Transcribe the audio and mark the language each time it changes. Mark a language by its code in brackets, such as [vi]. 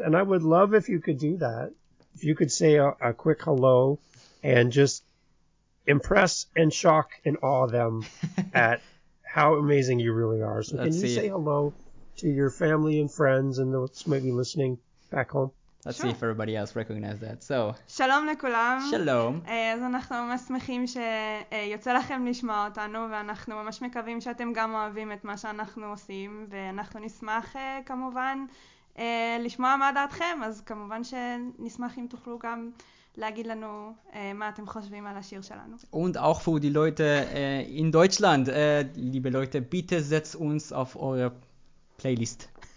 [en] And I would love if you could do that. If you could say a quick hello. And just impress and shock and awe them at how amazing you really are. So say hello to your family and friends and those who might be listening back home? Let's see if everybody else recognizes that. So, [he] Shalom lekulam. Shalom. אז אנחנו ממש שמחים שיוצא לכם לשמוע אותנו, ואנחנו ממש מקווים שאתם גם אוהבים את מה שאנחנו עושים, ואנחנו נשמח כמובן לשמוע מה דעתכם, אז כמובן שנשמח אם תוכלו גם... להגיד לנו מה אתם חושבים על השיר שלנו. [de] Und auch für die Leute in Deutschland, liebe Leute, bitte setz uns auf eure Playlist.